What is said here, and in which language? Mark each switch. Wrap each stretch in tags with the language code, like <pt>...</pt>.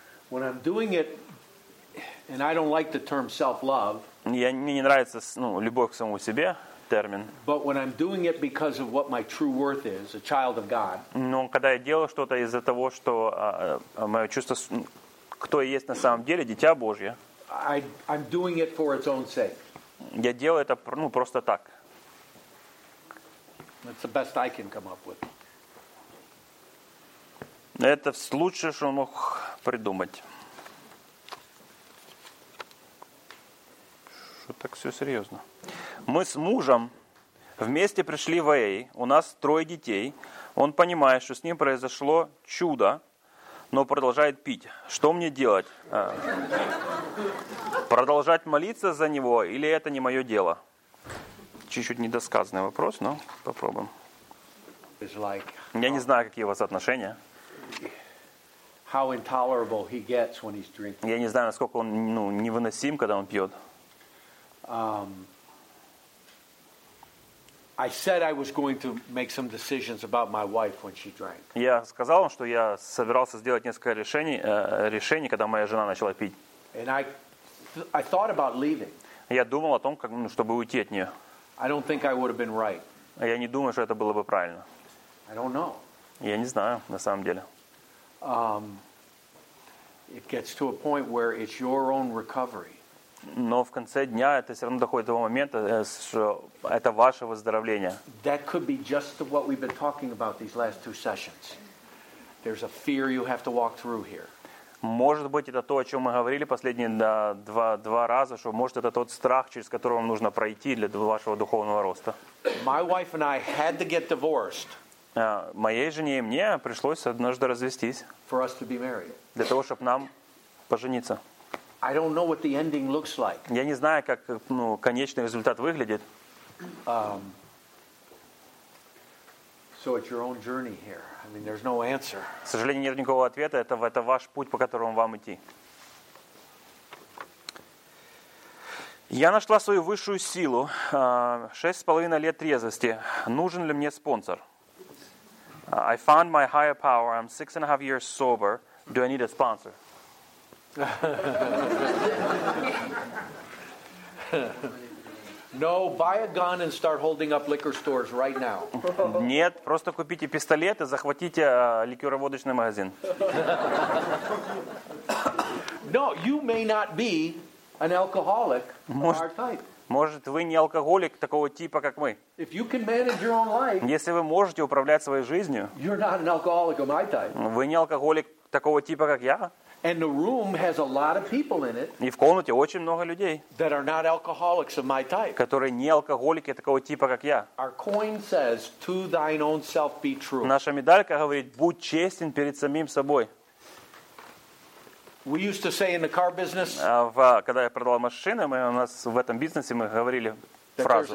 <en>When I'm doing it, and I don't like the term self-love,</en> <ru>мне не нравится, ну, любовь к самому себе термин.</ru> <en>But when I'm doing it because of what my true worth is, a child of God.</en> <ru>Но когда я делаю что-то из-за того, что мое чувство, кто я есть на самом деле, дитя Божье.</ru> <en>I'm doing it for its own sake.</en> <ru>Я делаю это, ну, просто так.</ru> <en>That's the best I can come up with.</en> <ru>Это лучшее, что мог придумать. Что так все серьезно? Мы с мужем вместе пришли в АА. У нас трое детей. Он понимает, что с ним произошло чудо, но продолжает пить. Что мне делать? Продолжать молиться за него или это не мое дело? Чуть-чуть недосказанный вопрос, но попробуем. Я не знаю, какие у вас отношения.</ru> <en>How intolerable he gets when he's drinking.</en> <ru>Я не знаю, насколько он, ну, невыносим, когда он пьет.</ru> <en>I said I was going to make some decisions about my wife when she drank.</en> <ru>Я сказал вам, что я собирался сделать несколько решений, когда моя жена начала пить.</ru> <en>And I thought about leaving.</en> <ru>Я думал о том, как, ну, чтобы уйти от нее.</ru> <en>I don't think I would have been right.</en> <ru>Я не думаю, что это было бы правильно.</ru> <en>I don't know.</en> <ru>Я не знаю, на самом деле.</ru> <en>It gets to a point where it's your own recovery.</en> <ru>Но в конце дня это все равно доходит до момента, что это ваше выздоровление.</ru> <en>That could be just what we've been talking about these last two sessions. There's a fear you have to walk through here.</en> <ru>Может быть, это то, о чем мы говорили последние два раза, что может это тот страх, через который вам нужно пройти для вашего духовного роста.</ru> <en>My wife and I had to get divorced.</en> <ru>Моей жене и мне пришлось однажды развестись для того, чтобы нам пожениться.</ru> <en>I don't know what the ending looks like.</en> <ru>Я не знаю, как, ну, конечный результат выглядит.</ru> <en>So it's your own journey here. I mean, there's no answer.</en> <ru>К сожалению, нет никакого ответа. Это ваш путь, по которому вам идти. Я нашла свою высшую силу. 6.5 лет трезвости. Нужен ли мне спонсор?</ru> <en>I found my higher power. I'm 6.5 years sober. Do I need a sponsor? No, buy a gun and start holding up liquor stores right now.</en> <ru>Нет, просто купите пистолет и захватите ликероводочный магазин.</ru> <en>No, you may not be an alcoholic of our type.</en> <ru>Может, вы не алкоголик такого типа, как мы.</ru> <en>If you can manage your own life,</en> <ru>если вы можете управлять своей жизнью,</ru> <en>you're not an alcoholic of my type.</en> <ru>Вы не алкоголик такого типа, как я.</ru> <en>And the room has a lot of people in it.</en> <ru>И в комнате очень много людей.</ru> <en>That are not alcoholics of my type.</en> <ru>Которые не алкоголики такого типа, как я.</ru> <en>Our coin says, "To thine own self be true."</en> <ru>Наша медалька говорит: будь честен перед самим собой.</ru> <en>We used to say in the car business.</en> <ru>Когда я продавал машины, мы у нас в этом бизнесе мы говорили фразу.</ru>